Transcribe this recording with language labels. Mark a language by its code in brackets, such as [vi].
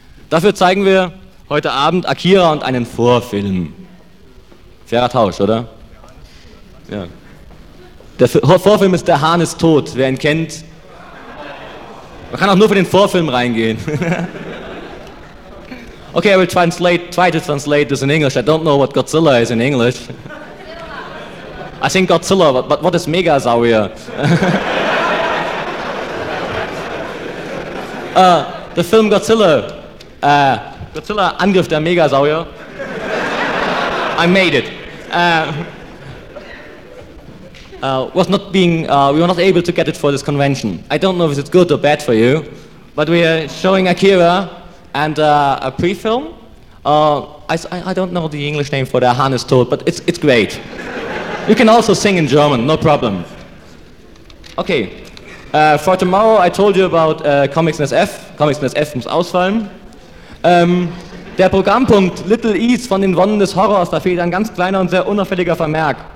[de] Dafür zeigen wir heute Abend Akira und einen Vorfilm. Fairer Tausch, oder? Ja. Der Vorfilm ist Der Hahn ist tot, wer ihn kennt. Man kann auch nur für den Vorfilm reingehen. [en] Okay, I will try to translate this in English. I don't know what Godzilla is in English. I think Godzilla, but what is Megasaurier? the film Godzilla. Godzilla, Angriff der Megasaurier. I made it. We were not able to get it for this convention. I don't know if it's good or bad for you, but we are showing Akira and a pre-film. I don't know the English name for the Hahn ist tot, but it's great. You can also sing in German, no problem. Okay, for tomorrow I told you about Comics NSF. [de] Comics NSF muss ausfallen. Der Programmpunkt Little East von den Wonnen des Horrors, da fehlt ein ganz kleiner und sehr unauffälliger Vermerk.